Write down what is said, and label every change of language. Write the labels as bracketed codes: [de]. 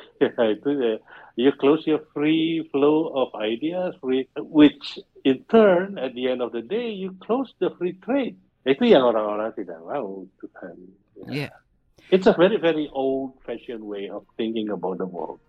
[en] Yeah, [id] itu [en] you close your free flow of ideas, which in turn at the end of the day you close the free trade. [id] Itu yang orang-orang tidak mau. Yeah. [en] It's a very very old fashioned way of thinking about the world.